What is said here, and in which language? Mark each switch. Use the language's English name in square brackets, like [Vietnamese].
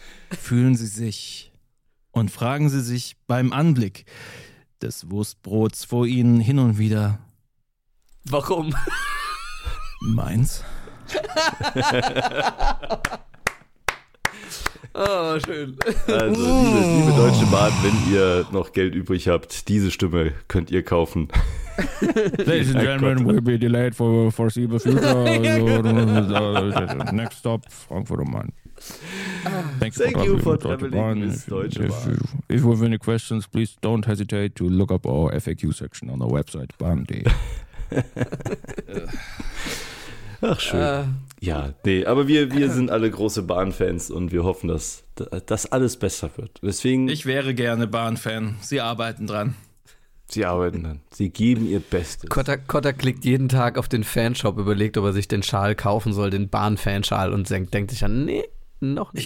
[German] Fühlen Sie sich und fragen Sie sich beim Anblick des Wurstbrots vor Ihnen hin und wieder. Warum? Meins? Oh, schön. Also, liebe Deutsche Bahn, wenn ihr noch Geld übrig habt, diese Stimme könnt ihr kaufen. [English] Ladies and gentlemen, we'll be delayed for the foreseeable future. Next stop, Frankfurt am Main. Thank you for traveling with Deutsche Bahn. If you have any questions, please don't hesitate to look up our FAQ section on our website, bahn.de. [German] Ach, schön. Ja, nee, aber wir sind alle große Bahnfans und wir hoffen, dass das alles besser wird. Deswegen, ich wäre gerne Bahnfan. Sie arbeiten dran. Sie arbeiten dann. Sie geben ihr Bestes. Kotta klickt jeden Tag auf den Fanshop, überlegt, ob er sich den Schal kaufen soll, den Bahn-Fanschal, und denkt sich an, nee, noch nicht.